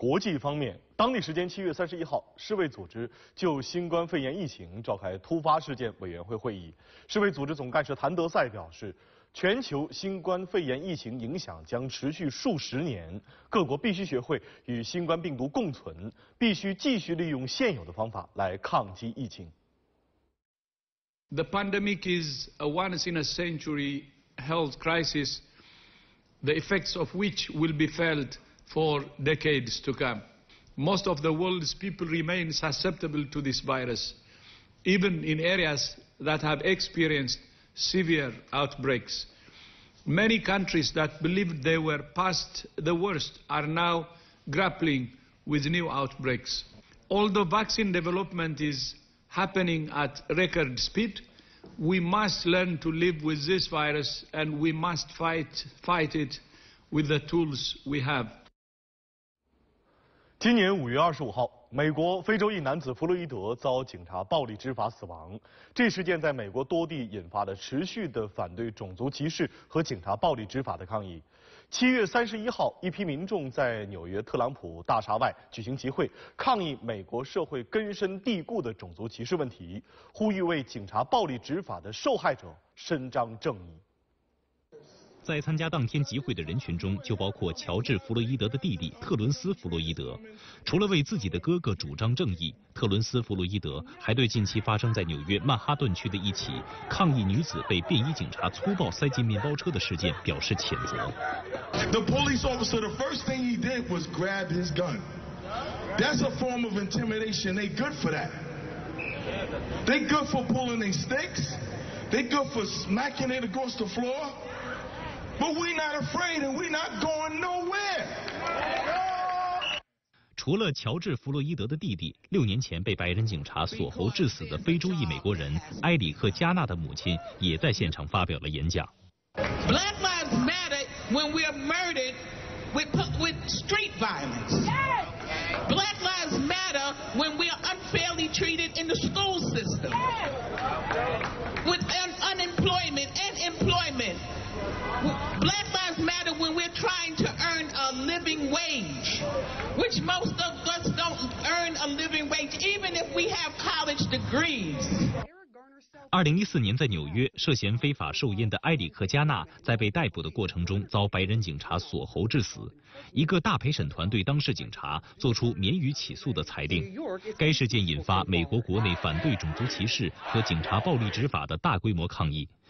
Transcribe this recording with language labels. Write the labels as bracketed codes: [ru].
[zh] 国际方面，当地时间7月31号，世卫组织就新冠肺炎疫情召开突发事件委员会会议。世卫组织总干事谭德赛表示，全球新冠肺炎疫情影响将持续数十年，各国必须学会与新冠病毒共存，必须继续利用现有的方法来抗击疫情。 [en] The pandemic is a once in a century health crisis, the effects of which will be felt for decades to come. Most of the world's people remain susceptible to this virus, even in areas that have experienced severe outbreaks. Many countries that believed they were past the worst are now grappling with new outbreaks. Although vaccine development is happening at record speed, We must learn to live with this virus, and we must fight it with the tools we have. [zh] 今年5月25号，美国非洲裔男子弗洛伊德遭警察暴力执法死亡。这事件在美国多地引发了持续的反对种族歧视和警察暴力执法的抗议。 7月31号，一批民众在纽约特朗普大厦外举行集会，抗议美国社会根深蒂固的种族歧视问题，呼吁为警察暴力执法的受害者伸张正义。在参加当天集会的人群中，就包括乔治·弗洛伊德的弟弟特伦斯·弗洛伊德。除了为自己的哥哥主张正义，特伦斯·弗洛伊德还对近期发生在纽约曼哈顿区的一起抗议女子被便衣警察粗暴塞进面包车的事件表示谴责。 [en] The police officer, the first thing he did was grab his gun. That's a form of intimidation. They good for that. They good for pulling their sticks. They good for smacking it across the floor. But we're not afraid, and we're not going nowhere. [zh] 除了乔治·弗洛伊德的弟弟，六年前被白人警察锁喉致死的非洲裔美国人埃里克·加纳的母亲也在现场发表了演讲。 [en] Black lives matter when we are murdered with street violence. Black lives matter when we are unfairly treated in the school system. With unemployment and employment. Black lives matter when we're trying to earn a living wage, which most of us don't earn a living wage, even if we have college degrees. [zh] 2014年在纽约涉嫌非法受烟的埃里克·加纳，在被逮捕的过程中遭白人警察锁喉致死。一个大陪审团对当事警察做出免予起诉的裁定。该事件引发美国国内反对种族歧视和警察暴力执法的大规模抗议。